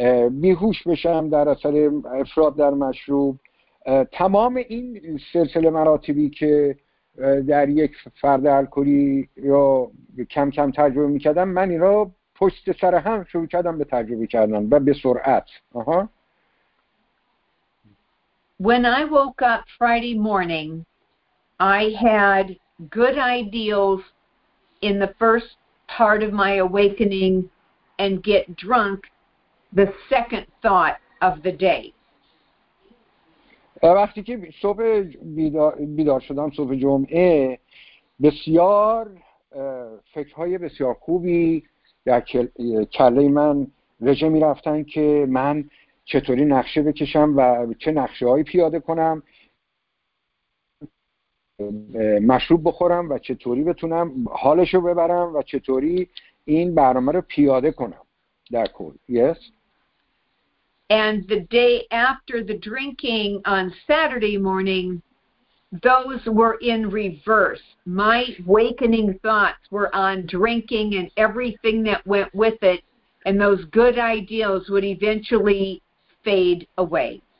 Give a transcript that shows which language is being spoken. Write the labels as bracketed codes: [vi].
[fa] بیهوش بشم در اثر افراط در مشروب. تمام این سلسله مراتبی که در یک فرد الکلی یا کم کم تجربه میکردم، من اینا پشت سر هم شروع کردم به تجربه کردن و به سرعت. [en] When I woke up Friday morning, I had good ideals in the first part of my awakening and get drunk the second thought of the day. [fa] وقتی که صبح بیدار شدم، صبح جمعه، بسیار فکرهای بسیار خوبی در کله من رژه می رفتن که من چطوری نقشه بکشم و چه نقشه هایی پیاده کنم، مشروب بخورم و چطوری بتونم حالشو ببرم و چطوری این برنامه رو پیاده کنم در کل. [en] Yes. And the day after the drinking on Saturday morning, those were in reverse. My awakening thoughts were on drinking and everything that went with it, and those good ideals would eventually fade away.